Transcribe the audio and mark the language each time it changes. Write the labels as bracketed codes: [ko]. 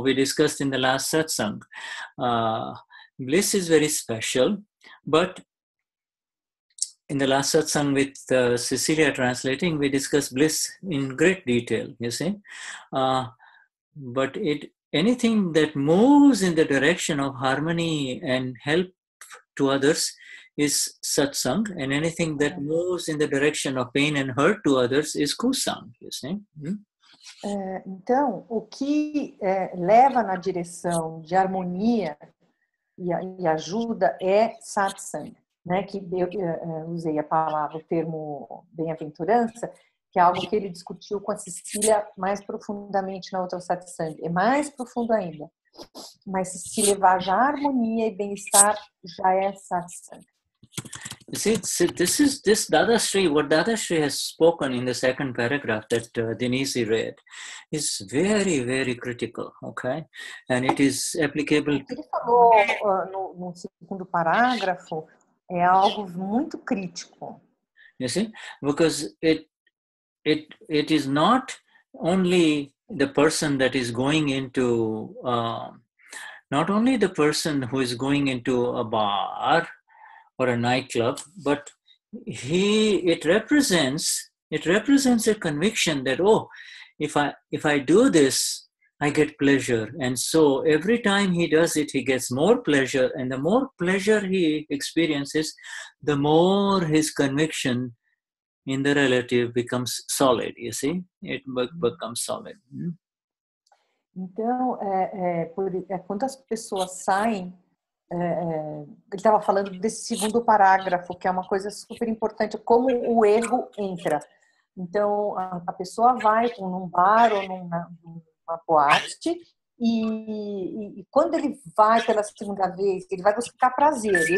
[en] We discussed in the last satsang. Bliss is very special, but in the last satsang with Cecilia translating, we discussed bliss in great detail, you see. But anything that moves in the direction of harmony and help to others is satsang, and anything that moves in the direction of pain and hurt to others is kusang, you see. [pt] Então, o que leva na direção de harmonia e ajuda é satsang. Né, que eu usei a palavra, o termo bem-aventurança, que é algo que ele discutiu com a Cecília mais profundamente na outra satsang. É mais profundo ainda. Mas se levar já à harmonia e bem-estar, já é satsang. [en] You see, this is this Dada Shri, what Dada Shri has spoken in the second paragraph that Dinesi read is very, very critical, okay? And it is applicable. [pt] Ele falou no segundo parágrafo, é algo muito crítico. [en] You see, because it is not only the person that is going into, not only the person who is going into a bar, or a nightclub, but it represents a conviction that, oh, if I do this, I get pleasure. And so every time he does it, he gets more pleasure. And the more pleasure he experiences, the more his conviction in the relative becomes solid, you see? It becomes solid. Hmm? [pt] Então, quando as pessoas saem, ele estava falando desse segundo parágrafo, que é uma coisa super importante, como o erro entra. Então, a pessoa vai num bar ou numa boate, e quando ele vai pela segunda vez, ele vai buscar prazer.